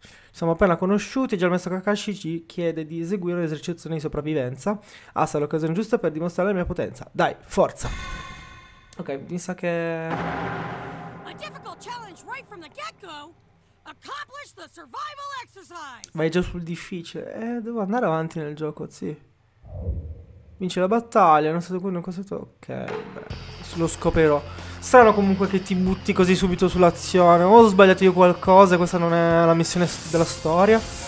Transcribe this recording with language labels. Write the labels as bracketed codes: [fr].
[it] Siamo appena conosciuti e già il maestro Kakashi ci chiede di eseguire l'esercizione di sopravvivenza. Ah, sarà l'occasione giusta per dimostrare la mia potenza. Dai, forza! Ok, mi sa che... [en] A difficult challenge right from the get-go. Accomplish the survival exercise. [it] Vai già sul difficile. Devo andare avanti nel gioco, sì. Vince la battaglia, non so se quello è cosa tu. Ok, beh, lo scoprirò. Strano comunque che ti butti così subito sull'azione. Ho sbagliato io qualcosa, questa non è la missione della storia.